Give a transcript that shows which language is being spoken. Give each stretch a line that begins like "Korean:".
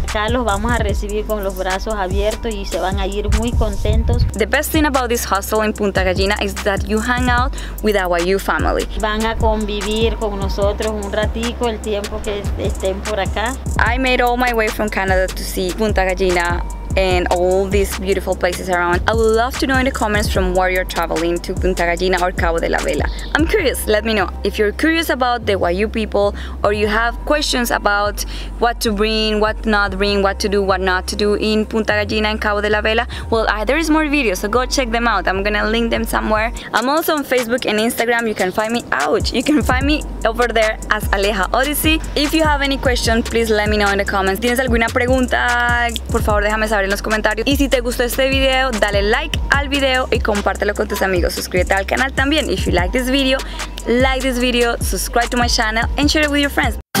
Spanish: Acá los vamos a recibir con los brazos abiertos y se van a ir muy contentos.
English: The best thing about this hostel in Punta Gallina is that you hang out with our YU family.
Spanish: Van a convivir con nosotros un ratico el tiempo que estén por acá.
English: I made all my way from Canada to see Punta Gallina and all these beautiful places around. I would love to know in the comments from where you're traveling to, Punta Gallina or Cabo de la Vela. I'm curious, let me know. If you're curious about the Wayuu people or you have questions about what to bring, what not bring, what to do, what not to do in Punta Gallina and Cabo de la Vela, well, there is more videos, so go check them out. I'm gonna link them somewhere. I'm also on Facebook and Instagram. You can find me, you can find me over there as Aleja Odyssey. If you have any questions, please let me know in the comments.
Spanish: ¿Tienes alguna pregunta? Por favor, déjame saber en los comentarios. Y si te gustó este video, dale like al video y compártelo con tus amigos. Suscríbete al canal también.
English: If you like this video, subscribe to my channel and share it with your friends.